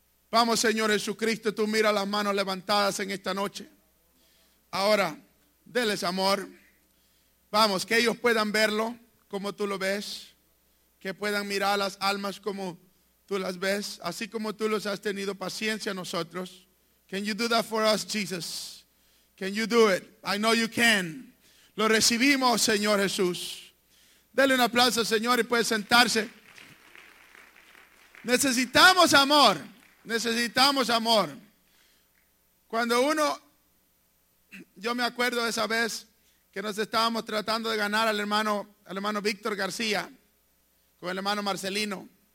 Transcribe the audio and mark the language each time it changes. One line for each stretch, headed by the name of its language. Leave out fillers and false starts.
Spanish: Vamos, Señor Jesucristo, tú mira las manos levantadas en esta noche. Ahora, déles amor. Vamos, que ellos puedan verlo como tú lo ves. Que puedan mirar las almas como tú las ves. Así como tú los has tenido paciencia a nosotros.
English: Can you do that for us, Jesus? Can you do it? I know you can.
Spanish: Lo recibimos, Señor Jesús. Dele un aplauso, Señor, y puede sentarse. Necesitamos amor. Necesitamos amor. Cuando uno, yo me acuerdo de esa vez que nos estábamos tratando de ganar al hermano Víctor García con el hermano Marcelino.